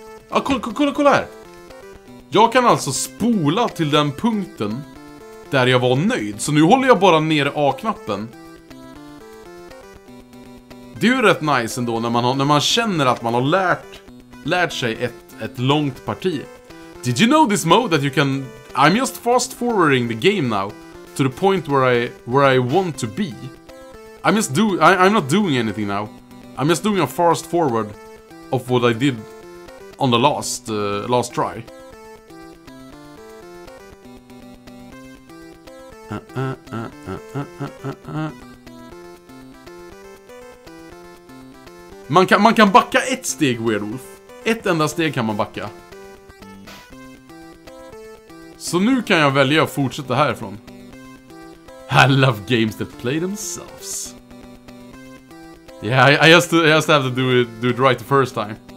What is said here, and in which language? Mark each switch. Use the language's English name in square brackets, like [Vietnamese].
[Swedish] Ja, kolla här. Jag kan alltså spola till den punkten där jag var nöjd. Så nu håller jag bara ner A-knappen. Det är ju rätt nice ändå när man känner att man har lärt sig ett långt parti. [English] Did you know this mode that you can... I'm just fast forwarding the game now to the point where I want to be. I'm not doing anything now. I'm just doing a fast forward of what I did on the last try. [Swedish] Man kan backa ett steg, Weird Wolf. Ett enda steg kan man backa. Så nu kan jag välja att fortsätta härifrån. [English] I love games that play themselves. Yeah, I just have to do it right the first time.